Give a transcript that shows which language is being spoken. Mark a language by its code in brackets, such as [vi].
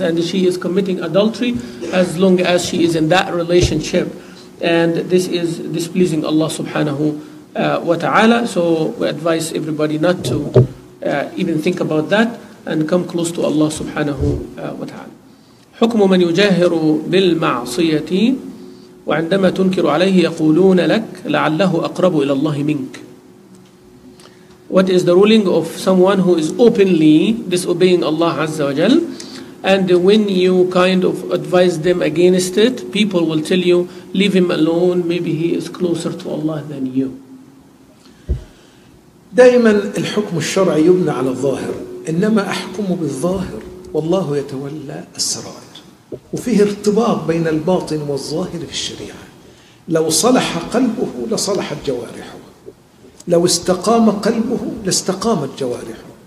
[en] And she is committing adultery as long as she is in that relationship. And this is displeasing Allah subhanahu wa ta'ala. So we advise everybody not to even think about that and come close to Allah subhanahu wa ta'ala. [ar] حكم من يجاهر بالمعصية وعندما تنكر عليه يقولون لك لعله أقرب إلى الله منك. [en] What is the ruling of someone who is openly disobeying Allah Azza wa Jal? And when you kind of advise them against it, people will tell you, leave him alone, maybe he is closer to Allah than you. [ar] دائما الحكم الشرعي يبنى على الظاهر، إنما أحكم بالظاهر والله يتولى السرائر. وفيه ارتباط بين الباطن والظاهر في الشريعة. لو صلح قلبه لصلحت جوارحه، لو استقام قلبه لاستقامت جوارحه.